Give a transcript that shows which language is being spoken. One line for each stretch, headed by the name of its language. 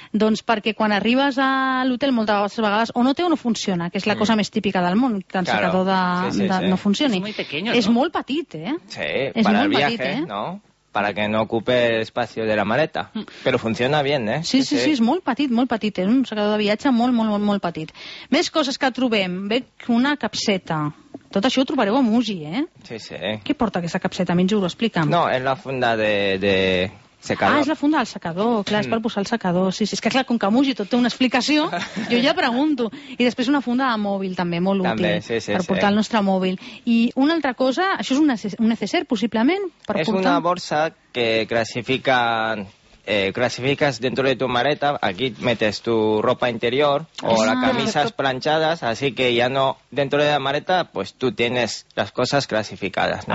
Catalan: Doncs perquè quan arribes a l'hotel moltes vegades o no té o no funciona, que és la cosa més típica del món, que el secador no funcioni. És molt pequeño, és molt petit, eh? Sí, per al viatge, no?
Spanish: Para que no ocupe el espacio de la maleta. Pero funciona bien, ¿eh?
Catalan: Sí, sí, sí, és molt petit, molt petit. És un secador de viatge molt, molt, molt, molt petit. Més coses que trobem. Veig una capseta. Tot això ho trobareu a Muji, eh? Sí, sí. Què porta aquesta capseta? A mi, juro, explica'm. No, és la funda de secador. Ah, és la funda del secador. Clar, és per posar el secador. Sí, sí. És que, clar, com que a Muji tot té una explicació, jo ja pregunto. I després una funda de mòbil, també, molt útil. També, sí, sí, per portar sí, el nostre mòbil. I una altra cosa, això és un neceser, possiblement, per és portar... És una borsa
Spanish: que classificas dentro de tu maleta. Aquí metes tu ropa interior o las camisas planchadas. Así que ya no... Dentro de la maleta, pues tú tienes las cosas clasificadas, ¿no?